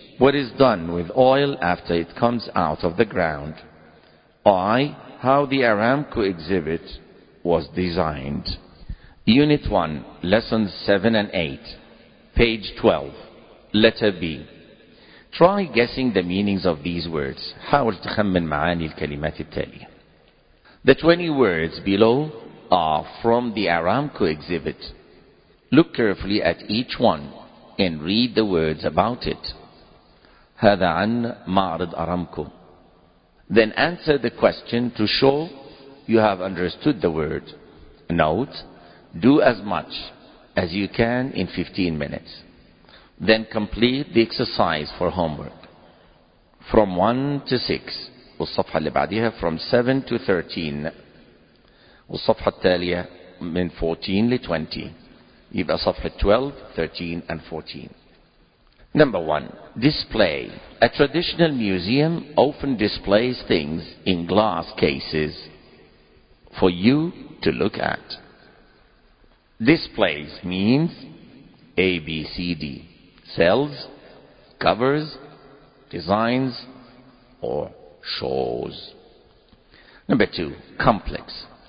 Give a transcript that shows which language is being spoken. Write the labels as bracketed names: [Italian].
[English] What is done with oil after it comes out of the ground. I. How the Aramco exhibit was designed. Unit 1, Lessons 7 and 8, page 12, letter B. Try guessing the meanings of these words. [Arabic] حاول تخمن معاني الكلمات التالية. [English] The 20 words below are from the Aramco exhibit. Look carefully at each one and read the words about it. [Arabic] هذا عن معرض أرامكو. [English] Then answer the question to show you have understood the word. Note, do as much as you can in 15 minutes. Then complete the exercise for homework. From 1 to 6. [Arabic] والصفحة اللي بعدها [English] from 7 to 13. [Arabic] والصفحة التالية من 14 [English] to 20. [Arabic] يبقى صفحة 12, 13 and 14. [English] Number 1. Display. A traditional museum often displays things in glass cases for you to look at. Displays means A, B, C, D. Sells, covers, designs, or shows. Number 2. Complex.